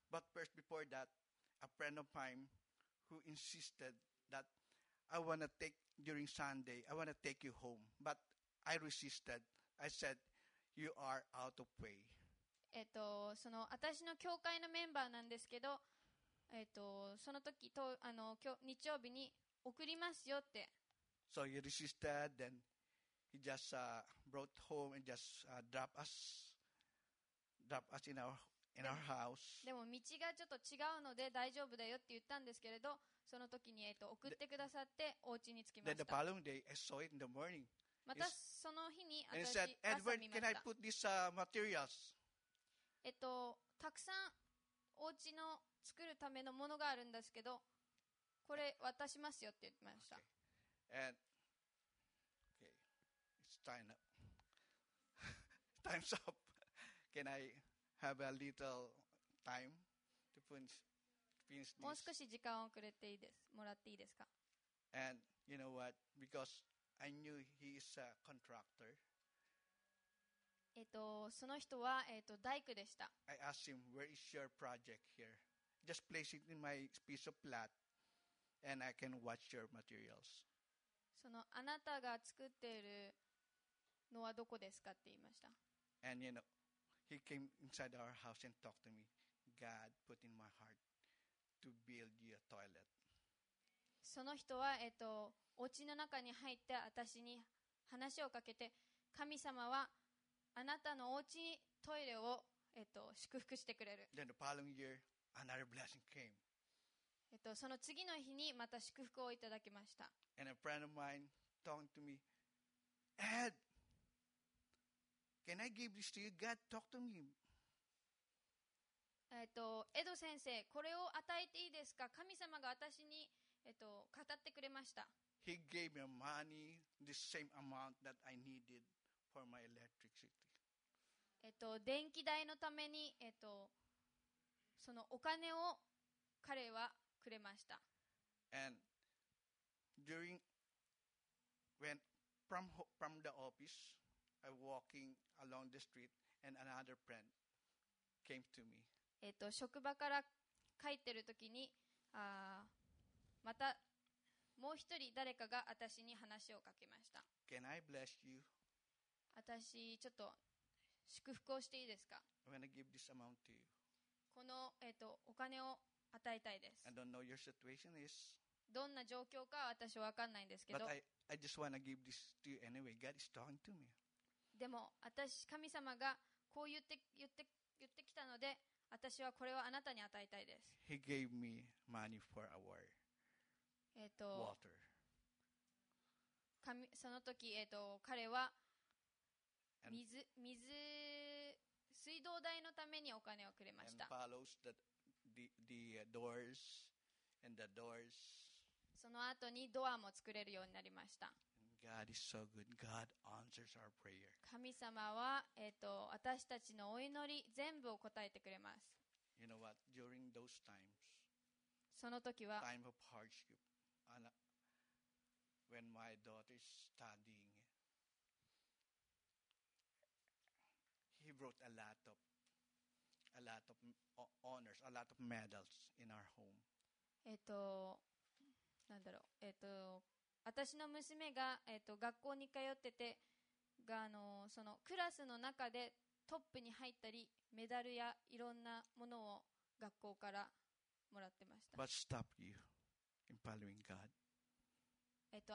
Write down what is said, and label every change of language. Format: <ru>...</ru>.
<en>But first before that, a friend of mine who insisted that I want to take during Sunday, I want to take you home, butI resisted. I said, "You are out of way."</en> <ja>その私の教会のメンバーなんですけど、その時とあの日曜日に送りますよって。</ja> <en>So he resisted, then he just brought home and just drop us in our house.</en> <ja>でも道がちょっと違うので大丈夫だよって言ったんですけれど、その時に送ってくださってお家に着きました。</ja> <en>Then the following day, I saw it in the morning.</en> <ja>またその日に私朝見ました。</ja> <en>Edward, can I put this, materials?</en> <ja>たくさんお家の作るためのものがあるんですけど、これ渡しますよって言ってました。</ja> <en>Okay. And okay, it's time up. Time's up. Can I have a little time to finish this?</en> <ja>もう少し時間をくれていいです。もらっていいですか。</ja> <en>And you know what? Because I knew he is a contractor.</en> <ja>その人は、大工でした。</ja> <en>I asked him, "Where is your project here? Just place it in my piece of plat, and I can watch your materials."</en> <ja>そのあなたが作っているのはどこですかって言いました。</ja> <en>And you know, he came inside our house and talked to me. God put in my heart to build you a toilet.</en> <ja>その人は、お家の中に入って私に話をかけて、神様はあなたのお家にトイレを、祝福してくれる。</ja> <en>Then the following year, another blessing came.</en> <ja>その次の日にまた祝福をいただきました。</ja> <en>And a friend of mine talked to me, "Ed, can I give this to you? God talked to me."</en> <ja>エド先生、これを与えていいですか？神様が私に語ってくれました。</ja> <en>He gave me money, the same amount that I needed for my electricity.</en> <ja>電気代のために、そのお金を彼はくれました。</ja> <en>And during when from the office, I walking along the street and another friend came to me.</en> <ja>職場から帰ってる時にまたもう一人誰かが私に話をかけました。</ja> <en>Can I bless you?</en> <ja>私ちょっと祝福をしていいですか?</ja> <en>I'm gonna give this amount to you.</en> <ja>このお金を与えたいです。</ja> <en>I don't know your situation is.</en> <ja>どんな状況か私は分かんないんですけど。</ja> <en>But I just wanna give this to you anyway. God is talking to me.</en> <ja>でも私神様がこう言ってきたので、私はこれをあなたに与えたいです。</ja> <en>He gave me money for a war. Water.</en> <ja>その時、彼は水道代のためにお金をくれました。</ja> <en>And follows the doors and the doors.</en> <ja>その後にドアも作れるようになりました。</ja> <en>God is so good. God answers our prayer.</en> <ja>神様は、私たちのお祈り全部を答えてくれます。</ja> <en>You know what? During those times,</en> <ja>その時は</ja> <en>time of hardship. And when my daughter is studying, he brought a lot of honors, a lot of medals in our home.</en> <ja>なんだろう。私の娘が学校に通ってて、そのクラスの中でトップに入ったり、メダルやいろんなものを学校からもらってました。</ja> <en>What stopped you? In following God.</en>